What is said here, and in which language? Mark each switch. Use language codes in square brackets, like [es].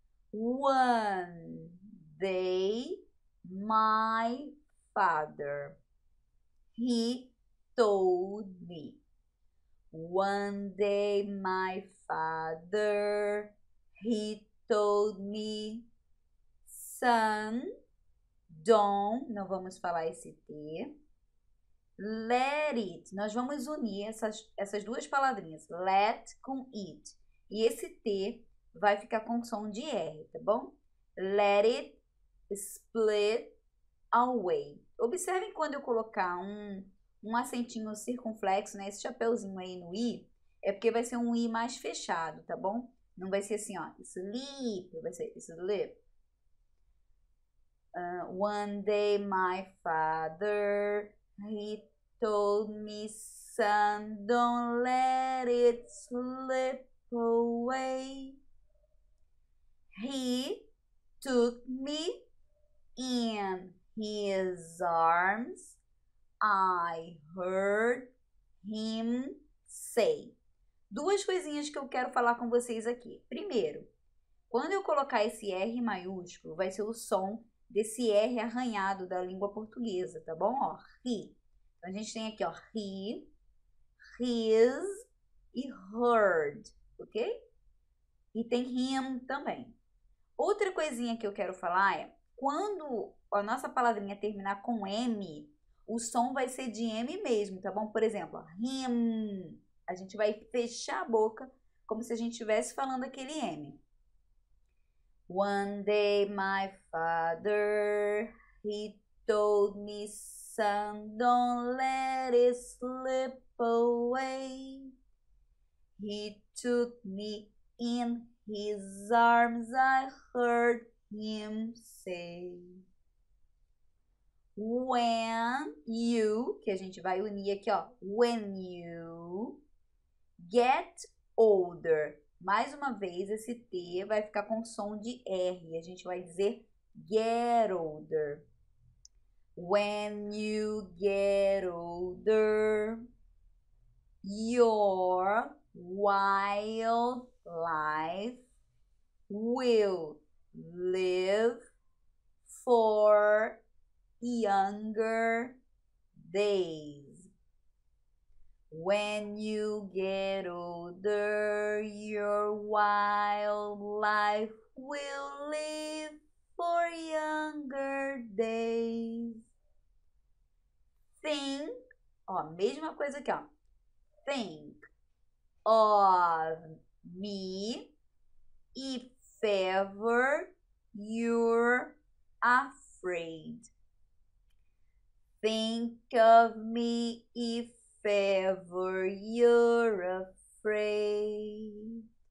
[en] One day, my father, he told me. One day, my father, he told me. Son, don't, [pt] não vamos falar esse T. [en] Let it, [pt] nós vamos unir essas duas palavrinhas, let com it. E esse T vai ficar com som de R, tá bom? [en] Let it split away. [pt] Observem quando eu colocar um acentinho circunflexo, né? Esse chapéuzinho aí no I, é porque vai ser um I mais fechado, tá bom? Não vai ser assim, ó. Sleep. Vai ser sleep. [en] One day my father, he told me, son, don't let it slip away. He took me in his arms. I heard him say. [pt] Duas coisinhas que eu quero falar com vocês aqui. Primeiro, quando eu colocar esse R maiúsculo, vai ser o som desse R arranhado da língua portuguesa, tá bom? Ó, he. Então a gente tem aqui, ó, he, his e heard, ok? E tem him também. Outra coisinha que eu quero falar é quando a nossa palavrinha terminar com M, o som vai ser de M mesmo, tá bom? Por exemplo, ó, him. A gente vai fechar a boca como se a gente estivesse falando aquele M. [en] One day my father, he told me, son, don't let it slip away. He took me in his arms, I heard him say. When you, [pt] que a gente vai unir aqui, ó, [en] when you get older. [pt] Mais uma vez, esse T vai ficar com som de R. A gente vai dizer [en] get older. When you get older, your wild life will live for younger days. When you get older, your wild life will live for younger days. [pt] Think, ó, mesma coisa aqui, ó. [en] Think of me if ever you're afraid. Think of me if ever you're afraid.